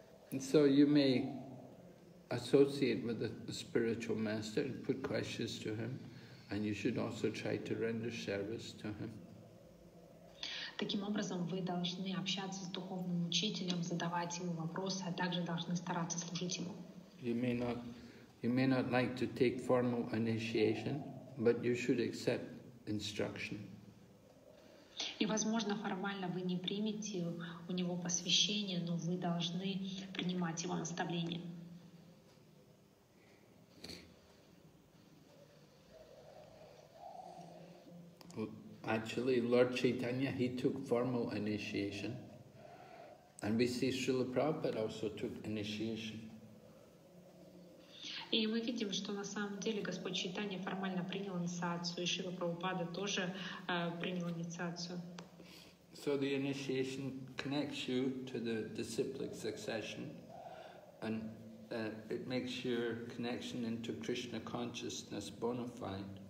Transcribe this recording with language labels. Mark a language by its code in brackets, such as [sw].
[en] And so you may associate with the spiritual master and put questions to him, and you should also try to render service to him. [ru] Таким образом, вы должны общаться с духовным учителем, задавать ему вопросы, а также должны стараться служить ему. [en] You may not like to take formal initiation, but you should accept instruction. [ru] И, возможно, формально вы не примете у него посвящение, но вы должны принимать его наставления. [en] Actually, Lord Chaitanya, he took formal initiation, and we see Srila Prabhupada also took initiation. [ru] И мы видим, что на самом деле Господь Чайтанья формально принял инициацию, и Шрила Прабхупада тоже принял инициацию. [en] So the initiation connects you to the disciplic succession, and it makes your connection into Krishna consciousness bona fide.